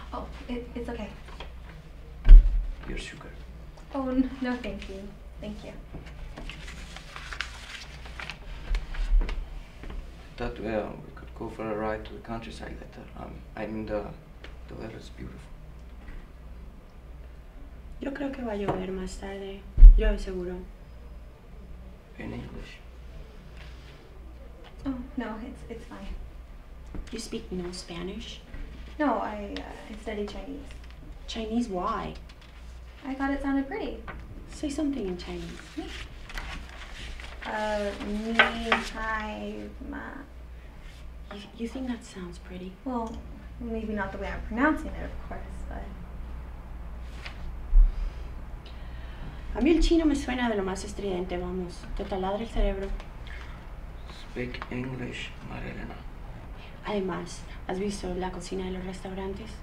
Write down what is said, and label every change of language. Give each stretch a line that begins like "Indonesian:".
English: Oh, it's okay. Your sugar. Oh no, thank you. Thank you. That we could go for a ride to the countryside later. I mean, the weather is beautiful.
Spanish: Yo creo que va a llover más tarde. Yo seguro.
English: In English. Oh no, it's fine. You speak no Spanish? No, I study Chinese. Chinese? Why? I thought it sounded pretty. Say something in Chinese.
Chinese: Ni hai ma.
English: You think that sounds pretty? Well, maybe not the way I'm pronouncing it, of course, but.
Spanish: A mí el chino me suena de lo más estridente, vamos. Te taladra el cerebro.
English: Speak English, Marilena.
Spanish: Además, ¿has visto la cocina de los restaurantes?